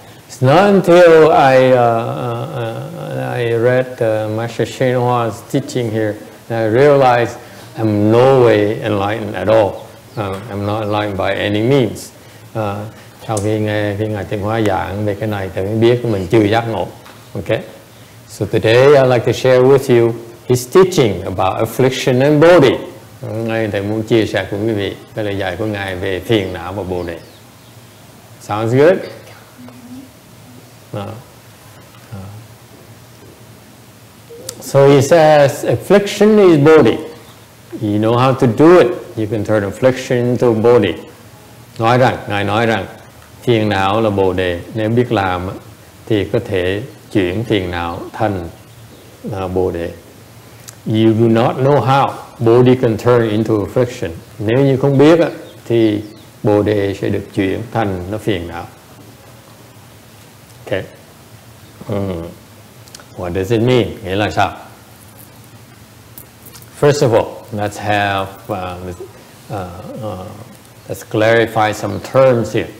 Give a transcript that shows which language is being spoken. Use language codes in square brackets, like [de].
[en] It's not until I read Master Xinhua's teaching here that I realized I'm no way enlightened at all. I'm not enlightened by any means. [vi] Sau khi nghe Ngài Thiện Hóa giảng về cái này, thì mới biết mình chưa giác ngộ. [en] Okay? So today I'd like to share with you his teaching about affliction and Bodhi. [vi] Ngài thầy muốn chia sẻ cùng quý vị cái lời dạy của Ngài về phiền não và Bồ Đề. [en] Sounds good? So he says, affliction is Bodhi. You know how to do it. You can turn affliction into Bodhi. [vi] Nói rằng, Ngài nói rằng, phiền não là Bồ Đề. Nếu biết làm thì có thể chuyển phiền não thành Bồ Đề. [en] You do not know how Bodhi can turn into affliction. [vi] Nếu như không biết thì Bồ Đề sẽ được chuyển thành nó phiền não. [en] Okay. What does it mean? [vi] Nghĩa là sao? [en] First of all, let's have let's clarify some terms here.